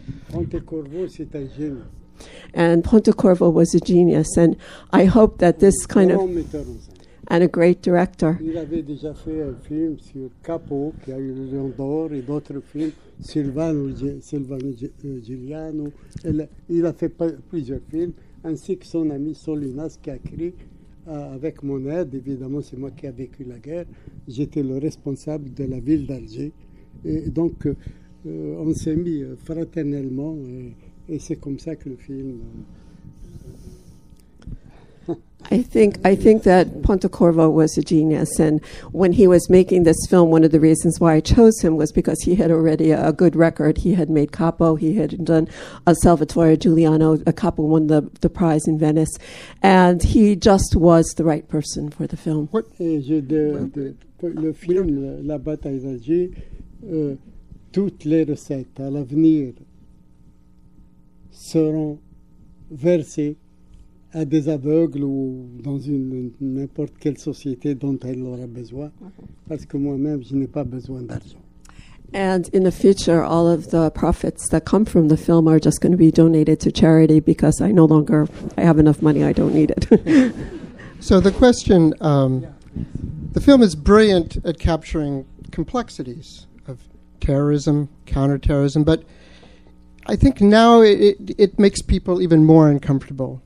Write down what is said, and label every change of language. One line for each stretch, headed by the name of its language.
French: Pontecorvo, c'est un génie.
English: And Pontecorvo was a genius, and I hope that this kind of, and a great director.
French: Il avait déjà fait un film sur Capo, qui a eu le Lion d'Or, et d'autres films, Silvano Giuliano, il a fait plusieurs films, ainsi que son ami Solinas, qui a écrit avec mon aide, évidemment c'est moi qui ai vécu la guerre, j'étais le responsable de la ville d'Alger, et donc on s'est mis fraternellement, et c'est comme ça que le film.
English: I think that Pontecorvo was a genius, and when he was making this film, one of the reasons why I chose him was because he had already a good record. He had made Capo, he had done a Salvatore Giuliano, a Capo won the prize in Venice, and he just was the right person for the film. What is the film
French: La Bataille d'Alger, toutes les recettes à l'avenir seront versés à des aveugles ou dans n'importe quelle société dont elle aura besoin, parce que moi-même, je n'ai pas besoin d'argent.
English: And in the future, all of the profits that come from the film are just going to be donated to charity because I no longer, I have enough money, I don't need it. So the question, the film is brilliant at capturing complexities of terrorism, counterterrorism, but I think now it makes people even more uncomfortable.